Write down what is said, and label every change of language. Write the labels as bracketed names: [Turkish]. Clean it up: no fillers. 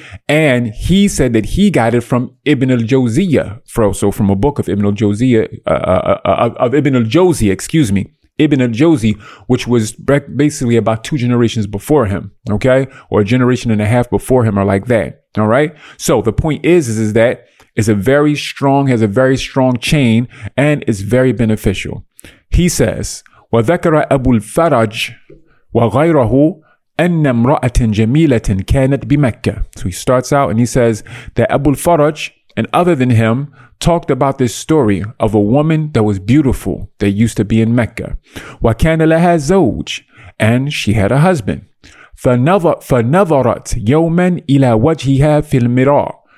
[English] And he said that he got it from Ibn al-Jawziyyah, so from a book of Ibn al-Jawziyyah, Ibn al-Jawzi, which was basically about two generations before him, okay? Or a generation and a half before him or like that, all right? So the point is that it's a very strong, has a very strong chain, and it's very beneficial. He says, [Arabic] وذكر أبو الفرج وغيره أن امرأة جميلة كانت بمكة. [English] So he starts out and he says that Abu al-Faraj and other than him talked about this story of a woman that was beautiful that used to be in Mecca. [Arabic] وكان لها زوج, [English] and she had a husband. [Arabic] فنظرت يوما إلى وجهها في المرآة.